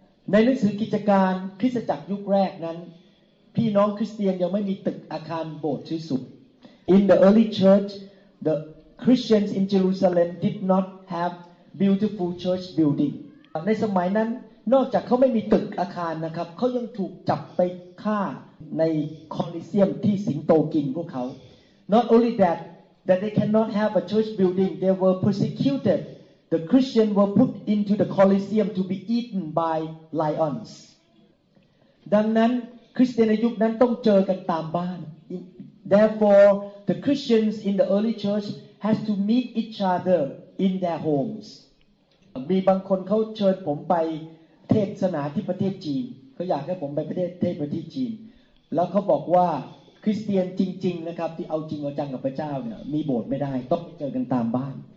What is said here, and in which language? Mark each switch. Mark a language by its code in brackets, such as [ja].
[th] ในหนังสือกิจการคริสตจักรยุคแรกนั้นพี่น้องคริสเตียนยังไม่มีตึกอาคารโบสถ์ชื่อสุด [en] In the early church theChristians in Jerusalem did not have beautiful church building. [th] ในสมัยนั้นนอกจากเขาไม่มีตึกอาคารนะครับเขายังถูกจับไปฆ่าในโคลอสเซียมที่สิงโตกินพวกเขา [en] Not only that they cannot have a church building, they were persecuted. The Christians were put into the Colosseum to be eaten by lions. [th] ดังนั้นคริสเตียนในยุคนั้นต้องเจอกันตามบ้าน [en] Therefore, the Christians in the early churchhas to meet each other in their homes [th] มีบางคนเขาเชิญผมไปเทศนาที่ประเทศจีนเขาอยากให้ผมไปประเทศประเทศจีนแล้วเขาบอกว่าคริสเตียนจริงๆนะครับที่เอาจริงเอาจังกับพระเจ้าเนี่ยมีโบสถ์ไม่ได้ต้องเจอกันตามบ้าน